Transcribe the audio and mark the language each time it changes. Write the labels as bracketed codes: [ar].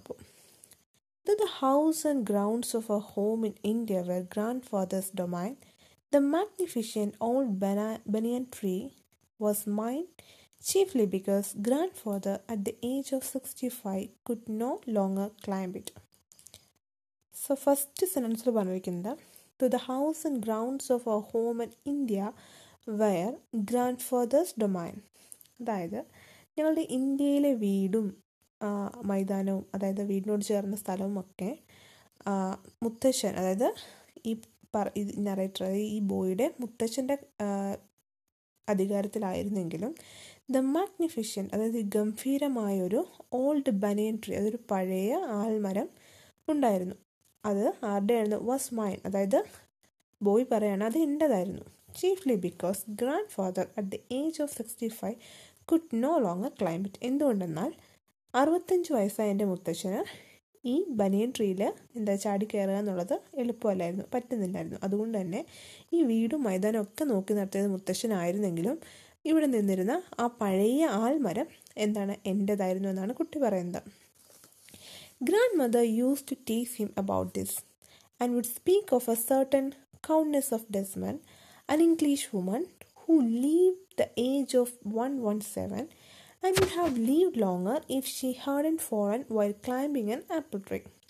[en] അപ്പോൾ the house and grounds of a home in India were grandfather's domain the magnificent old banyan tree was mine chiefly because grandfather at the age of 65 could no longer climb it. [ml] So first സെൻറ്റൻസിൽ പറഞ്ഞിരിക്കുന്നത് [en] to the house and grounds of a home in India where grandfather's domain. [ml] അതായത് ഞങ്ങളുടെ ഇന്ത്യയിലെ വീടും മൈതാനവും, അതായത് വീടിനോട് ചേർന്ന സ്ഥലവുമൊക്കെ മുത്തശ്ശൻ, അതായത് ഈ നറേറ്റർ ഈ ബോയുടെ മുത്തശ്ശൻ്റെ അധികാരത്തിലായിരുന്നെങ്കിലും, ദ മാഗ്നിഫിഷ്യൻ്റ് അതായത് ഗംഭീരമായൊരു ഓൾഡ് ബനിയൻ ട്രീ, അതൊരു പഴയ ആൽമരം ഉണ്ടായിരുന്നു. അത് ആരുടെ ആയിരുന്നു? വാസ് മൈൻ, അതായത് ബോയ് പറയാണ് അത് എൻ്റെതായിരുന്നു. [en] Chiefly because grandfather at the age of 65 could no longer climb it. [ml] എന്തുകൊണ്ടെന്നാൽ 65 വയസ്സായ എൻ്റെ മുത്തശ്ശന് ഈ ബനിയൻ ട്രീയിൽ എന്താ ചാടിക്കയറുക എന്നുള്ളത് എളുപ്പമല്ലായിരുന്നു, പറ്റുന്നില്ലായിരുന്നു. അതുകൊണ്ട് തന്നെ ഈ വീടും മൈതാനം ഒക്കെ നോക്കി നടത്തിയത് മുത്തശ്ശനായിരുന്നെങ്കിലും, ഇവിടെ നിന്നിരുന്ന ആ പഴയ ആൽമരം എന്താണ് എൻ്റെതായിരുന്നു എന്നാണ് കുട്ടി പറയുന്നത്. [en] Grandmother used to tease him about this and would speak of a certain Countess of Desmond, an English woman who lived the age of 117 and would have lived longer if she hadn't fallen while climbing an apple tree.